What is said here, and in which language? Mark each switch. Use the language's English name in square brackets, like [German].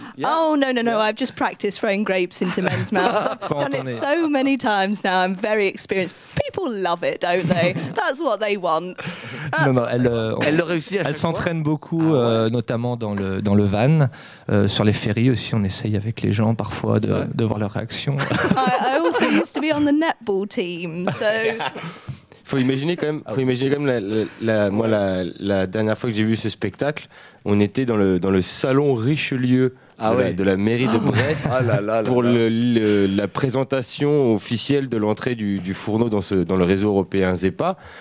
[English] Yeah. Oh, no. Yeah. I've just practiced throwing grapes into men's mouths. I've done it so many times now. I'm very experienced. People love it, don't they? That's what they want. [French] Elle s'entraîne beaucoup, notamment dans le van. Sur les ferries aussi, on essaye avec les gens parfois de voir leur réaction. [English] I also used to be on the netball team, so... [French] Faut imaginer quand même la dernière fois que j'ai vu ce spectacle, on était dans le salon Richelieu de la mairie de Brest pour la présentation officielle de l'entrée du fourneau dans le réseau européen ZEPA.